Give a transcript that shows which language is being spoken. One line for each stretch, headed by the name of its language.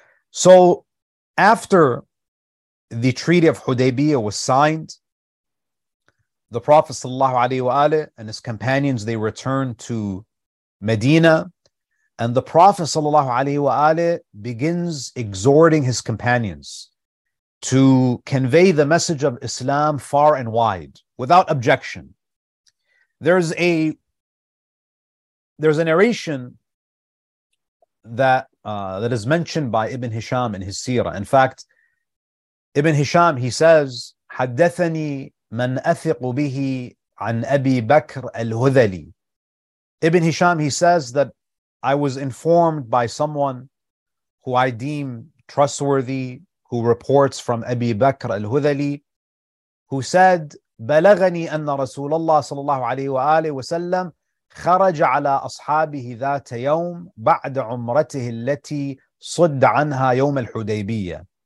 English: So after the Treaty of Hudaybiyah was signed, the Prophet sallallahu alaihi wa alihi and his companions, they returned to Medina, and the Prophet sallallahu alaihi wa alihi begins exhorting his companions to convey the message of Islam far and wide without objection. There's a narration that is mentioned by Ibn Hisham in his seerah.
Arabic: In fact, Ibn Hisham, he says, حدثني من أثق به عن أبي بكر الهذلي.
English: Ibn Hisham, he says that I was informed by someone who I deem trustworthy, who reports from Abi Bakr al-Hudhali, who said,
Arabic: بلغني أن رسول الله صلى الله عليه وآله وسلم خرج على أصحابه ذات يوم بعد عمرته التي صد عنها يوم الحديبية.